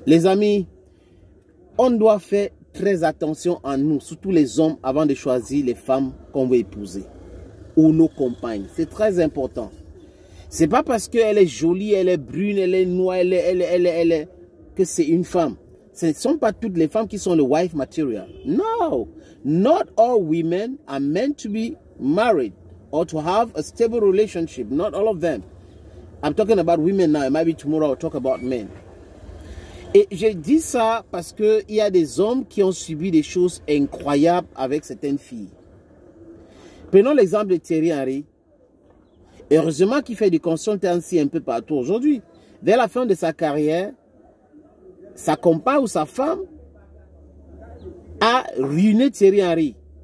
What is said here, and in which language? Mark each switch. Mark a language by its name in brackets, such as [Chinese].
[French] Les amis, on doit faire très attention à nous, surtout les hommes, avant de choisir les femmes qu'on veut épouser ou nos compagnes. C'est très important. C'est pas parce qu'elle est jolie, elle est brune, elle est noire, elle est que c'est une femme. Ce ne sont pas toutes les femmes qui sont le [English] wife material. No, not all women are meant to be married or to have a stable relationship. Not all of them. I'm talking about women now. Maybe tomorrow I'll talk about men. [French] Et je dis ça parce qu'il y a des hommes qui ont subi des choses incroyables avec certaines filles. Prenons l'exemple de Thierry Henry. Heureusement qu'il fait du consultancy un peu partout aujourd'hui. Vers la fin de sa carrière, sa compagne ou sa femme a ruiné Thierry Henry.